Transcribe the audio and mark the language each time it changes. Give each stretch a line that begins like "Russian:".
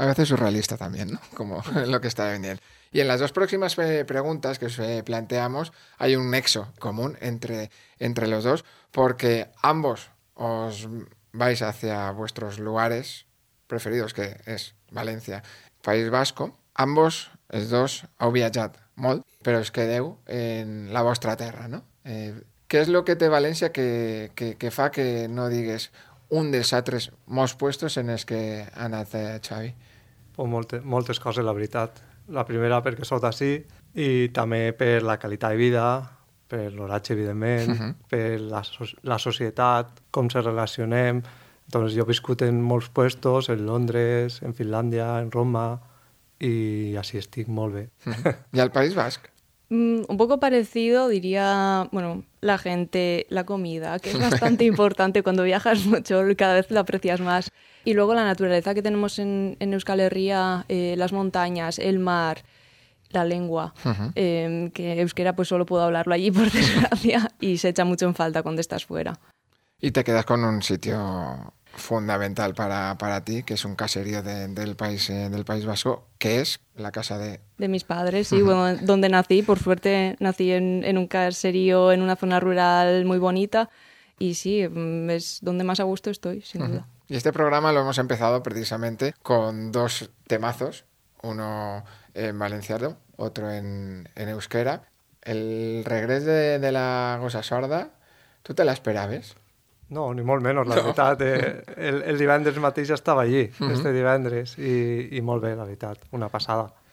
Spanish: A veces surrealista también, ¿no? Como lo que está vendiendo. Y en las dos próximas preguntas que os planteamos hay un nexo común entre los dos, porque ambos os vais hacia vuestros lugares preferidos, que es Valencia, País Vasco.
Catalan: Ambos, els dos, heu viatjat molt, però us quedeu en la vostra terra, no? Què és el que té València que fa que no digues un dels altres molts puestos en els que ha anat Xavi? Pues moltes coses, la veritat. La primera, perquè sóc d'ací, i també per la qualitat de vida, per l'horatge, evidentment, per la societat, com se relacionem. Entonces, jo he viscut en molts puestos, en Londres, en Finlàndia, en Roma, i així estic molt bé. I al País Basc?
Spanish: Un poco parecido, diría, bueno, la gente, la comida, que es bastante importante cuando viajas mucho, cada vez lo aprecias más. Y luego la naturaleza que tenemos en Euskal Herria, las montañas, el mar, la lengua, que euskera pues solo puedo hablarlo allí, por desgracia, y se echa mucho en falta cuando estás fuera. Y te quedas con un sitio fundamental para ti, que es un caserío del País Vasco, que es la casa de... De mis padres, sí, bueno, donde nací. Por suerte nací en un caserío, en una zona rural muy bonita. Y sí, es donde más a gusto estoy, sin duda. Y este programa lo hemos empezado precisamente con dos temazos. Uno en valenciano, otro en euskera. El regreso de la Gosa Sorda, ¿tú te la esperabes?
Catalan: No, ni molt menys, la veritat. El divendres mateix ja estava allí, este divendres, i molt bé, la veritat, una passada.